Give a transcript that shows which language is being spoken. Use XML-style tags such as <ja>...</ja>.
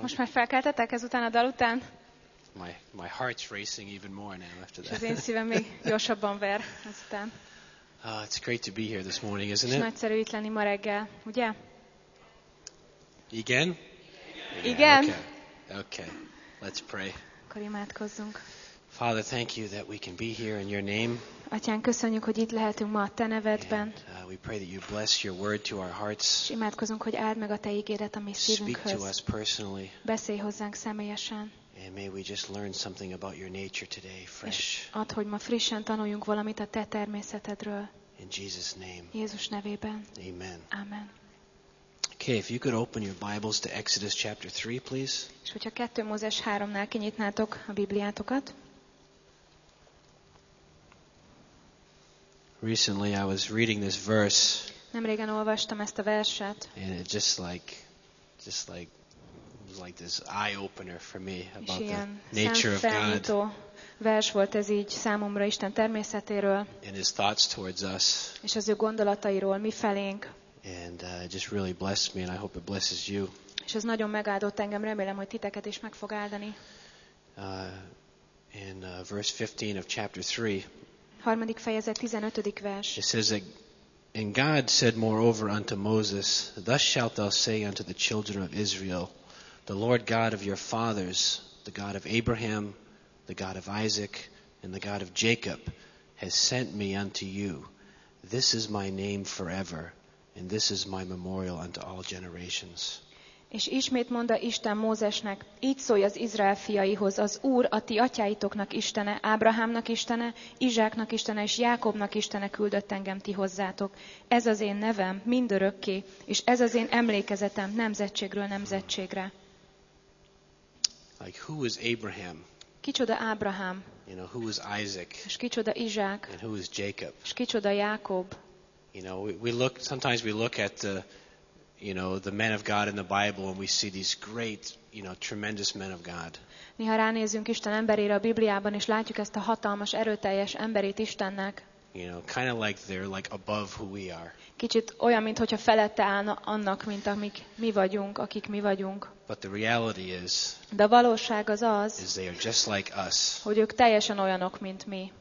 <hu>Most már felkeltetek ezután a dal után?</hu> <en>My heart's racing even more now after that.</en> <hu>És az én szívem még gyorsabban ver ezután.</hu> <en>It's great to be here this morning, isn't it?</en> <hu>És nagyszerű itt lenni ma reggel, ugye? Igen? Igen.</hu> <en>Yeah, okay. Let's pray.</en> <hu>Akkor imádkozzunk.</hu> <en>Father, thank you that we can be here in your name.</en> <hu>Atyán, köszönjük, hogy itt lehetünk ma a te nevedben.</hu> <en>We pray that you bless your word to our hearts.</en> <hu>És imádkozunk, hogy áld meg a te ígédet a mi szívünkhöz.</hu> <en>Speak to us personally.</en> <hu>Beszélj hozzánk személyesen.</hu> <en>And may we just learn something about your nature today, fresh.</en> <hu>És add, hogy ma frissen tanuljunk valamit a te természetedről.</hu> <en>In Jesus' name.</en> <hu>Jézus nevében.</hu> <en>Amen.</en> <hu>Amen.</hu> <en>Okay, if you could open your Bibles to Exodus chapter 3, please.</en> <hu>És hogyha 2 Mózes 3-nál kinyitnátok a Bibliátokat.</hu> <en>Recently I was reading this verse.</en> <hu>Nemrégen olvastam ezt a verset.</hu> <en>And it just like this eye opener for me about the nature of God.</en> <hu>Vers volt ez így számomra Isten természetéről.</hu> <en>And his thoughts towards us.</en> <hu>És az ő gondolatairól mi felénk.</hu> <en>And it just really blessed me and I hope it blesses you.</en> <hu>És ez nagyon megáldott engem, remélem, hogy titeket is meg fog áldani.</hu> <en>In verse 15 of chapter 3.</en> <hu>Harmadik fejezet 15. vers.</hu> <en>It says that, and God said moreover unto Moses, thus shalt thou say unto the children of Israel, the Lord God of your fathers, the God of Abraham, the God of Isaac, and the God of Jacob, has sent me unto you. This is my name forever, and this is my memorial unto all generations.</en> <hu>És ismét mondta Isten Mózesnek, így szólj az Izrael fiaihoz, az Úr, a ti atyáitoknak Istene, Ábrahámnak Istene, Izsáknak Istene és Jákobnak Istene küldött engem ti hozzátok. Ez az én nevem, mindörökké, és ez az én emlékezetem nemzetségről nemzetségre.</hu> <en>Like, who is Abraham?</en> <hu>Kicsoda Ábrahám?</hu> <en>You know, who is Isaac?</en> <hu>És kicsoda Izsák?</hu> <en>And who is Jacob?</en> <hu>És kicsoda Jákob?</hu> <en>You know, we look at the men of God in the Bible and we see these great, you know, tremendous men of God.</en> <hu>Néha ránézünk Isten emberére a Bibliában és látjuk ezt a hatalmas, erőteljes emberét Istennek.</hu> <en>You know, kind of like they're like above who we are.</en> <hu>Kicsit olyan, mint hogyha felette állna annak, mint amik mi vagyunk, akik mi vagyunk.</hu> <en>But the reality is,</en> <hu>de a valóság az az,</hu> <en>is they are just like us.</en> <hu>Hogy ők teljesen olyanok, mint mi.</hu>